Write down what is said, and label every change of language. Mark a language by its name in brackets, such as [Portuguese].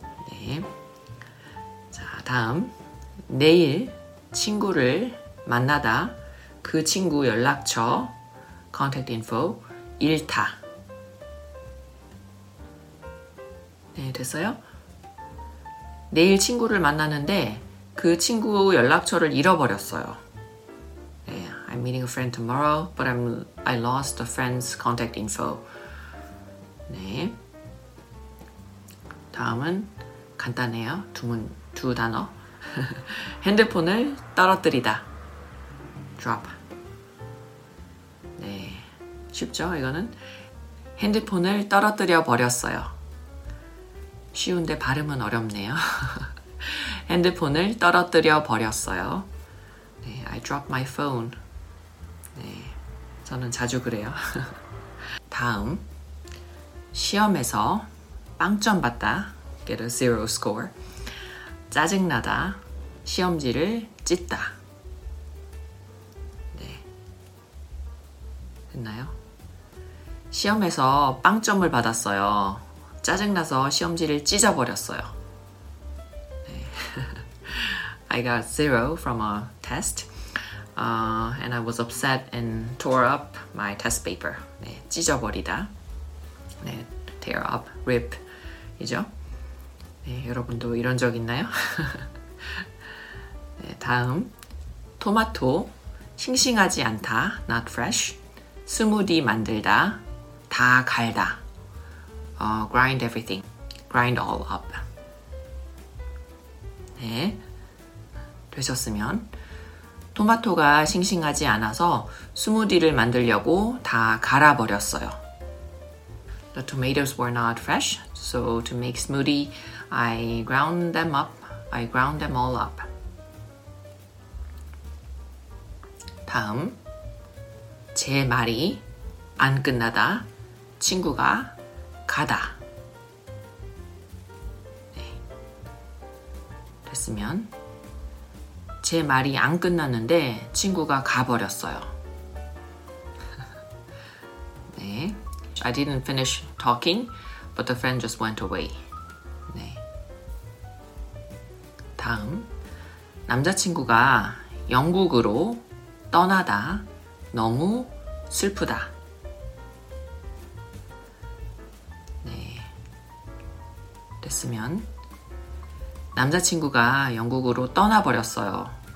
[Korean] 네. 자, 다음 내일 친구를 만나다, 그 친구 연락처, [English] contact info, [Korean] 잃다. 네, 됐어요? 내일 친구를 만나는데 그 친구 연락처를 잃어버렸어요. 네, [English] I'm meeting a friend tomorrow, but I lost a friend's contact info. [Korean] 네. 다음은 간단해요. 두 단어. 핸드폰을 떨어뜨리다. Drop. 네. 쉽죠? 이거는 핸드폰을 떨어뜨려 버렸어요. 쉬운데 발음은 어렵네요. 핸드폰을 떨어뜨려 버렸어요. 네, [English] I dropped my phone. [Korean] 네, 저는 자주 그래요. 다음, 시험에서 0점 받다. [English] Get a zero score. [Korean] 짜증나다. 시험지를 찢다. 네, 됐나요? 시험에서 0점을 받았어요. 짜증나서 시험지를 찢어버렸어요. [English] I got zero from a test, and I was upset and tore up my test paper. [Korean] 네, 찢어버리다. 네, [English] tear up, rip. [Korean] 이죠? 네, 여러분도 이런 적 있나요? 네, 다음. 토마토. 싱싱하지 않다. [English] Not fresh. [Korean] 스무디 만들다. 다 갈다. [English] Grind everything. Grind all up. [Korean] 네. 되셨으면 토마토가 싱싱하지 않아서 스무디를 만들려고 다 갈아버렸어요. [English] The tomatoes were not fresh, so to make smoothie, I ground them all up. [Korean] 다음, 제 말이 안 끝나다. 친구가 가다. 네. 됐으면 제 말이 안 끝났는데 친구가 가버렸어요. 네. [English] I didn't finish talking, but the friend just went away. [Korean] 네. 다음. 남자친구가 영국으로 떠나다. 너무 슬프다. 네. 됐으면 남자친구가 영국으로 떠나버렸어요.